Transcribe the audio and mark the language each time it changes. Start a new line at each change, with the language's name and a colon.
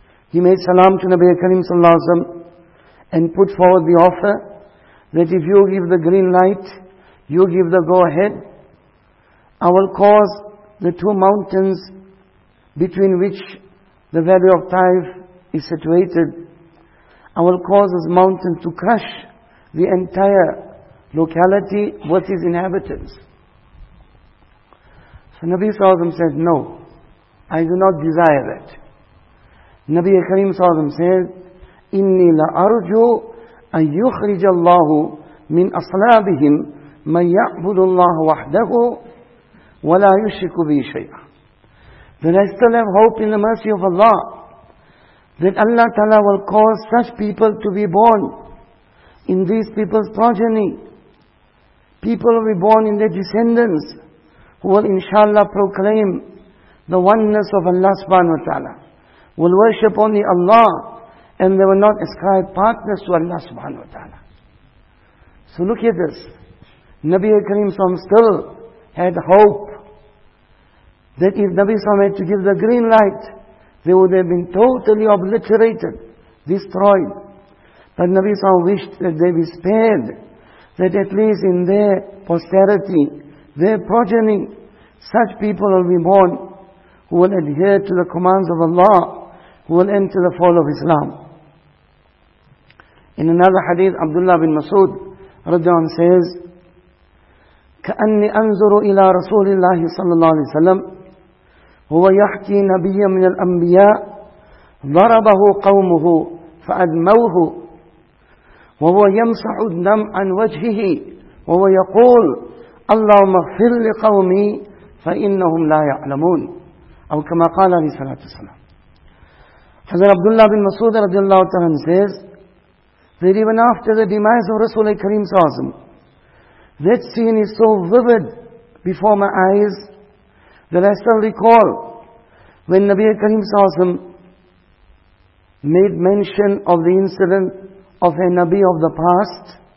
English: He made salam to Nabi Kareem sallallahu alayhi wa sallam and put forward the offer that if you give the green light, you give the go ahead, I will cause the two mountains between which the valley of Taif is situated, I will cause this mountain to crush the entire locality with its inhabitants. So Nabi sallallahu alayhi wa sallam said, no, I do not desire that.
Arabic: Nabi Kareem sallallahu alayhi wa sallam said, إِنِّي لَأَرْجُوْ أَنْ يُخْرِجَ اللَّهُ مِنْ أَصْلَابِهِمْ مَنْ يَعْبُدُ اللَّهُ وَحْدَهُ وَلَا يُشْرِكُ بِهِ شَيْئًا.
English: That I still have hope in the mercy of Allah, that Allah Ta'ala will cause such people to be born in these people's progeny. People will be born in their descendants who will inshallah proclaim the oneness of Allah subhanahu wa ta'ala, will worship only Allah, and they will not ascribe partners to Allah subhanahu wa ta'ala. So look at this. Nabi Kareem Sam still had hope that if Nabi Sam had to give the green light, they would have been totally obliterated, destroyed. But Nabi Sam wished that they be spared that at least in their posterity, their progeny, such people will be born who will adhere to the commands of Allah, who will enter the fold of Islam.
Arabic: In another hadith, Abdullah bin Mas'ud radhiyallahu anhu says, كَأَنِّي أَنْزُرُ إِلَىٰ رَسُولِ اللَّهِ صَلَّى اللَّهُ عَلَيْهِ وَسَلَّمْ هُوَ يَحْكِي نَبِيًّا مِنَ الْأَنْبِيَاءِ ضَرَبَهُ قَوْمُهُ فَأَدْمَوْهُ وَهُوَ يَمْسَحُ الدَّمَ عَنْ وَجْهِهِ وَهُوَ يَقُولُ اللَّهُمَّ اغْفِرْ لِقَوْمِي فَإِنَّهُمْ لَا يَعْلَمُونَ أو كما قال عليه الصلاة والسلام.
English: حضرت عبداللہ بن مسعود رضی اللہ تعالیٰ عنہ says that even after the demise of رسول کریم صلی اللہ علیہ وسلم, that scene is so vivid before my eyes that I still recall when Nabi Karim صلی اللہ علیہ وسلم made mention of the incident of a Nabi of the past.